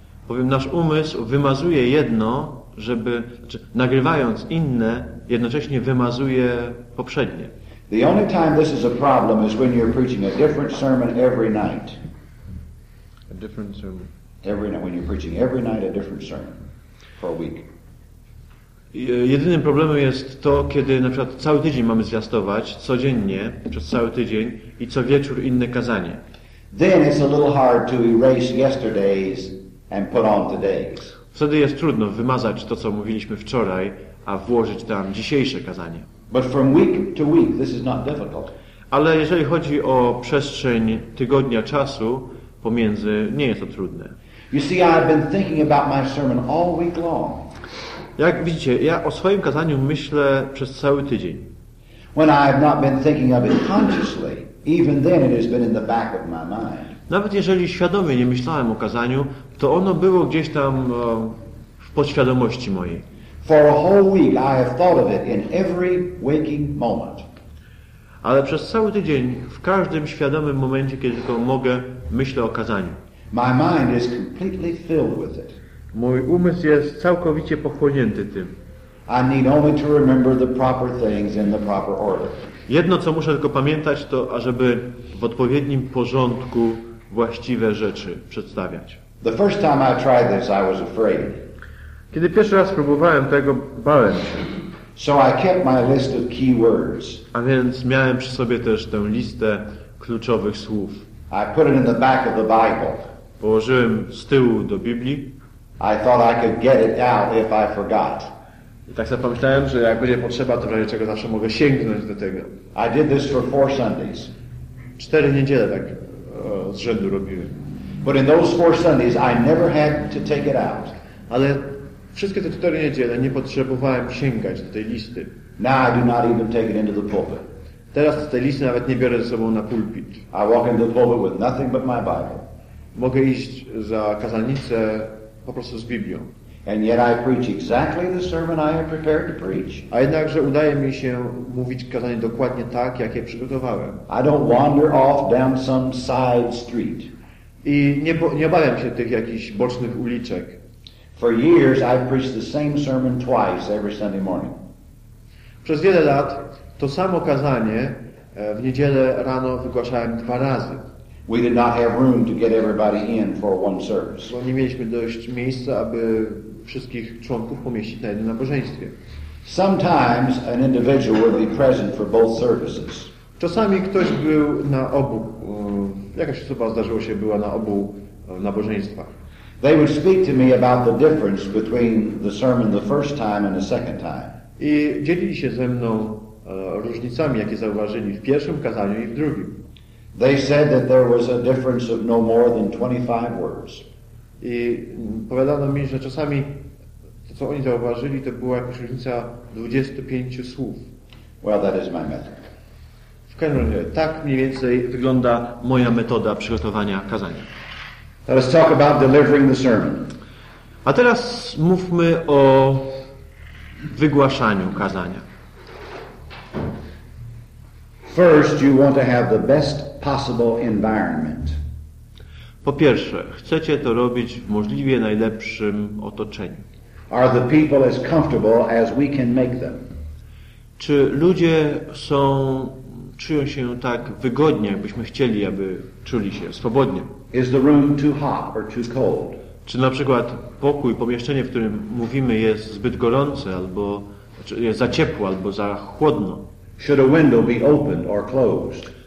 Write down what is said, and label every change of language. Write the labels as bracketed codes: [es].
[pl] Powiem, nasz umysł wymazuje jedno, żeby, znaczy, nagrywając inne, jednocześnie wymazuje poprzednie. [en] The only time this is a problem is when you're preaching a different sermon every night. A different sermon. Every night, when you're preaching every night a different sermon for a week. [pl] Jedynym problemem jest to, kiedy na przykład cały tydzień mamy zwiastować, codziennie, przez cały tydzień i co wieczór inne kazanie. [en] Then it's a little hard to erase yesterday's and put on today's. [pl] Wtedy jest trudno wymazać to, co mówiliśmy wczoraj, a włożyć tam dzisiejsze kazanie. [en] But from week to week, this is not difficult. [pl] Ale jeżeli chodzi o przestrzeń tygodnia czasu, pomiędzy, nie jest to trudne. [en] You see, I've been thinking about my sermon all week long. [pl] Jak widzicie, ja o swoim kazaniu myślę przez cały tydzień. [en] When I have not been thinking of it consciously, even then it has been in the back of my mind. [pl] Nawet jeżeli świadomie nie myślałem o kazaniu, to ono było gdzieś tam w podświadomości mojej. [en] For a whole week I have thought of it in every waking moment. [pl] Ale przez cały tydzień, w każdym świadomym momencie, kiedy tylko mogę, myślę o kazaniu. [en] My mind is completely filled with it. [pl] Mój umysł jest całkowicie pochłonięty tym. [en] I need only to remember the proper things in the proper order. [pl] Jedno, co muszę tylko pamiętać, to ażeby w odpowiednim porządku właściwe rzeczy przedstawiać. [en] The first time I tried this, I was afraid. [pl] Kiedy pierwszy raz próbowałem tego, bałem się. [en] So I kept my list of key words. [pl] A więc miałem przy sobie też tę listę kluczowych słów. [en] I put it in the back of the Bible. [pl] Położyłem z tyłu do Biblii. [en] I thought I could get it out if I forgot. [pl] I tak sobie pomyślałem, że jak będzie potrzeba, to w razie czego zawsze mogę sięgnąć do tego. [en] I did this for four Sundays. [pl] Cztery niedziele tak z rzędu robiłem. [en] But in those four Sundays I never had to take it out. [pl] Ale wszystkie te cztery niedziele nie potrzebowałem sięgać do tej listy. [en] Now I do not even take it into the pulpit. [pl] Teraz tej listy nawet nie biorę ze sobą na pulpit. [en] I walk into the pulpit with nothing but my Bible. [pl] Mogę iść za kazalnicę po prostu z Biblią. [en] And yet I preach exactly the sermon I have prepared to preach. [pl] A jednakże udaje mi się mówić kazanie dokładnie tak, jak je przygotowałem. [en] I don't wander off down some side street. [pl] I nie obawiam się tych jakichś bocznych uliczek. [en] For years I've preached the same sermon twice every Sunday morning. [pl] Przez wiele lat to samo kazanie w niedzielę rano wygłaszałem dwa razy. [en] We did not have room to get everybody in for one service. [pl] Bo nie mieliśmy dość miejsca, aby wszystkich członków pomieścić na jednym nabożeństwie. [en] Sometimes an individual would be present for both services. [pl] Czasami ktoś był na obu. Jakaś osoba, zdarzyło się, była na obu nabożeństwach. [en] They would speak to me about the difference between the sermon the first time and the second time. [pl] I dzielili się ze mną różnicami, jakie zauważyli w pierwszym kazaniu i w drugim. [en] They said that there was a difference of no more than 25 words. [pl] I powiadano mi, że czasami to, co oni zauważyli, to była jakaś różnica 25 słów. [en] Well, that is my method. [pl] W każdym razie, tak mniej więcej wygląda moja metoda przygotowania kazania. [en] Let's talk about delivering the sermon. [pl] A teraz mówmy o wygłaszaniu kazania. [en] First, you want to have the best possible environment. [pl] Po pierwsze, chcecie to robić w możliwie najlepszym otoczeniu. [en] Are the people as comfortable as we can make them? [pl] Czy ludzie są, czują się tak wygodnie, jakbyśmy chcieli, aby czuli się swobodnie? [en] Is the room too hot or too cold? [pl] Czy na przykład pokój, pomieszczenie, w którym mówimy, jest zbyt gorące, albo jest za ciepło, albo za chłodno? [en] Should a window be opened or closed?